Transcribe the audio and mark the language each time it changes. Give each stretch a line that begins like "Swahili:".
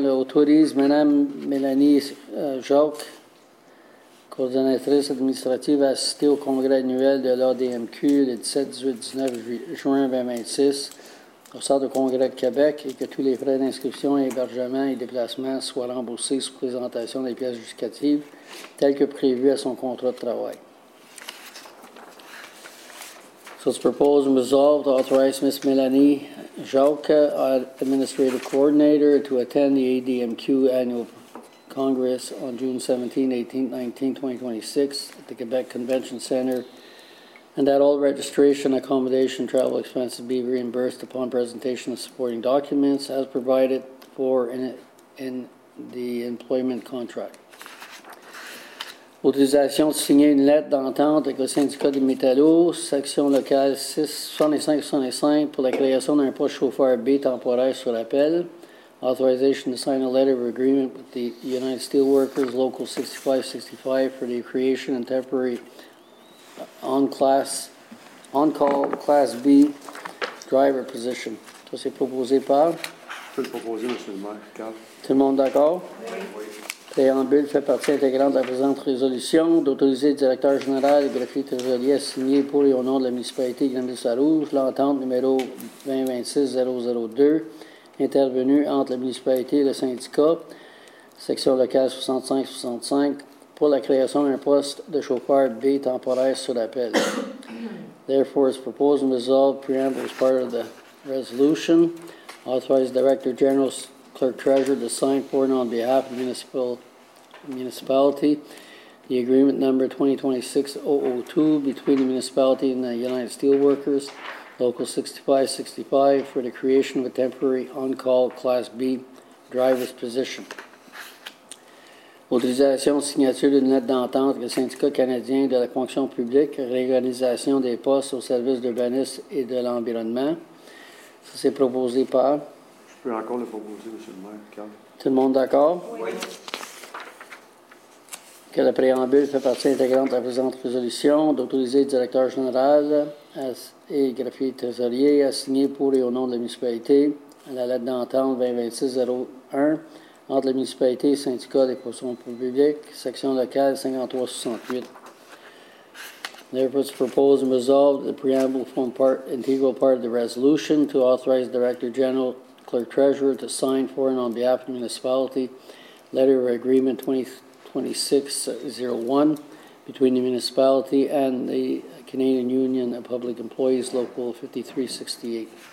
French: Là, autorise Mme Mélanie Jacques, coordonnatrice administrative, à assister au congrès annuel de l'ADMQ le 17, 18, 19 juin 2026 au sort du Congrès de Québec et que tous les frais d'inscription, hébergement et déplacement soient remboursés sous présentation des pièces justificatives telles que prévues à son contrat de travail.
English: So it's proposed and resolved to authorize Ms. Mélanie Jacques, Administrative Coordinator, to attend the ADMQ Annual Congress on June 17, 18, 19, 2026 at the Quebec Convention Center, and that all registration, accommodation, travel expenses be reimbursed upon presentation of supporting documents as provided for in the employment contract.
French: Autorisation de signer une lettre d'entente avec le syndicat des métallos, section locale 6-65-65 pour la création d'un poste chauffeur B temporaire sur appel.
English: Authorization to sign a letter of agreement with the United Steelworkers Local 6565 for the creation and temporary on-call class B driver position.
French: Ça, c'est proposé par? Je peux le proposer, M. le maire. Tout le monde d'accord? Oui. Préambule fait partie intégrante de la présente résolution d'autoriser le directeur général et greffier trésorier à signer pour et au nom de la municipalité Granville-Sarrouge l'entente numéro 2026-002 intervenue entre la municipalité et le syndicat, section locale 65-65, pour la création d'un poste de chauffeur B temporaire sur appel.
English: Therefore, it's proposed and resolved preamble is part of the resolution. Authorized Director General Clerk Treasurer to sign for and on behalf of the municipality, the agreement number 2026-002 between the municipality and the United Steelworkers, Local 6565, for the creation of a temporary on-call Class B driver's position.
French: Autorisation de signature d'une lettre d'entente avec le syndicat canadien de la fonction publique, réorganisation des postes au service d'urbanisme et de l'environnement. Ça, c'est proposé par... Je peux encore le proposer, M. le maire. Tout le monde d'accord? Oui. Que le préambule fait partie intégrante de la présente résolution d'autoriser le directeur général et greffier trésorier à signer pour et au nom de la municipalité la lettre d'entente 2026-01 entre la municipalité et syndicat des fonctions publiques, section locale 5368.
English: Therefore, it's proposed and resolved that the preamble form part integral part of the resolution to authorize Director General Clerk Treasurer to sign for and on behalf of the municipality letter of agreement 2026-01 between the municipality and the Canadian Union of Public Employees Local 5368.